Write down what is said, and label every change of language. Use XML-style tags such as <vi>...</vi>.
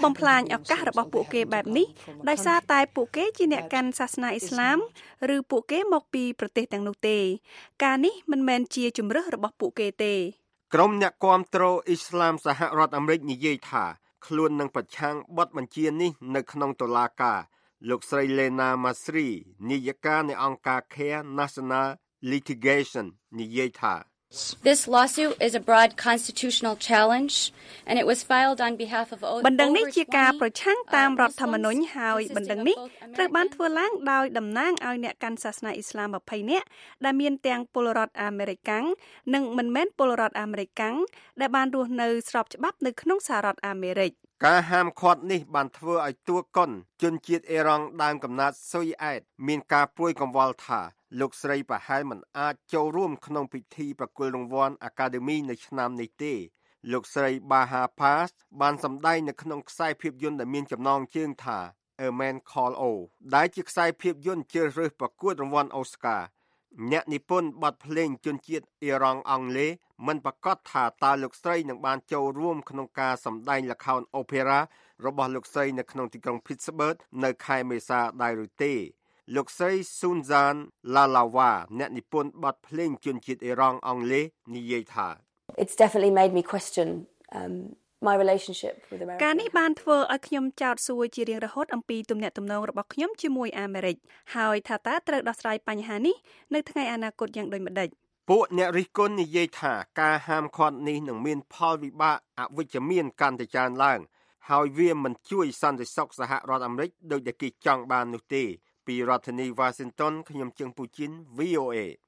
<km>បំផ្លាញឱកាសរបស់ពួកគេបែបនេះដោយសារតែពួកគេជាអ្នកកាន់សាសនាអ៊ីស្លាមឬពួកគេមកពីប្រទេសទាំងនោះទេការនេះមិនមែនជាជម្រើសរបស់ពួកគេទេ ក្រុមអ្នកគាំទ្រអ៊ីស្លាមសហរដ្ឋអាមេរិកនិយាយថាខ្លួននឹងប្រឆាំងបទបញ្ជានេះនៅក្នុងតុលាការលោកស្រីលេណាម៉ាស្រីនាយិកានៃអង្គការ Care National Litigation និយាយថា</km> <en>This lawsuit is a broad constitutional challenge and it was filed on behalf of</en> <km>បណ្ដឹងនេះជាការប្រឆាំងតាមរដ្ឋធម្មនុញ្ញហើយបណ្ដឹងនេះត្រូវបានធ្វើឡើងដោយតំណាងឲ្យអ្នកកាន់សាសនាអ៊ីស្លាម20នាក់ដែលមានទាំងពលរដ្ឋអាមេរិកាំងនិងមិនមែនពលរដ្ឋអាមេរិកាំងដែលបានរស់នៅស្របច្បាប់នៅក្នុងសហរដ្ឋអាមេរិក ការហាមឃាត់នេះបានធ្វើឲ្យទួកុនជនជាតិអ៊ីរ៉ង់ដើមកំណើតស៊ុយអែតមានការព្រួយកង្វល់ថាលោកស្រីប្រហែលមិនអាចចូលរួមក្នុងពិធីប្រគល់រង្វាន់អាកាដេមីនៅឆ្នាំនេះទេលោកស្រីបាហាផាសបានសម្ដែងនៅក្នុងខ្សែភាពយន្តដែលមានចំណងជើងថា A Man Call O ដែលជាខ្សែភាពយន្តជ្រើសរើសប្រកួតរង្វាន់អូស្ការ អ្នកនិពន្ធបទភ្លេងជនជាតិអ៊ីរ៉ង់អង់គ្លេសមិនប្រកាសថាតើលោកស្រីនឹងបានចូលរួមក្នុងការសម្ដែងល្ខោនអូប៉េរ៉ារបស់លោកស្រីនៅក្នុងទីក្រុង Pittsburgh នៅខែមេសាដែរឬទេលោកស្រីស៊ូនសានឡាឡាវ៉ាអ្នកនិពន្ធបទភ្លេងជនជាតិអ៊ីរ៉ង់អង់គ្លេសនិយាយថា</km> <en>It's definitely made me question my relationship with America</en> <km>ការនេះបានធ្វើឲ្យខ្ញុំចោទសួរជារៀងរហូតអំពីទំនាក់ទំនងរបស់ខ្ញុំជាមួយអាមេរិកហើយថាតើត្រូវដោះស្រាយបញ្ហានេះនៅថ្ងៃអនាគតយ៉ាងដូចម្តេច ពួកអ្នករិះគន់និយាយថាការហាមឃាត់នេះនឹងមានផលវិបាកអវិជ្ជមានកាន់តែច្រើនឡើងហើយវាមិនជួយសន្តិសុខសហរដ្ឋអាមេរិកដូចដែលគេចង់បាននោះទេពីរដ្ឋធានី Washington ខ្ញុំជើងពូជិន VOA</km>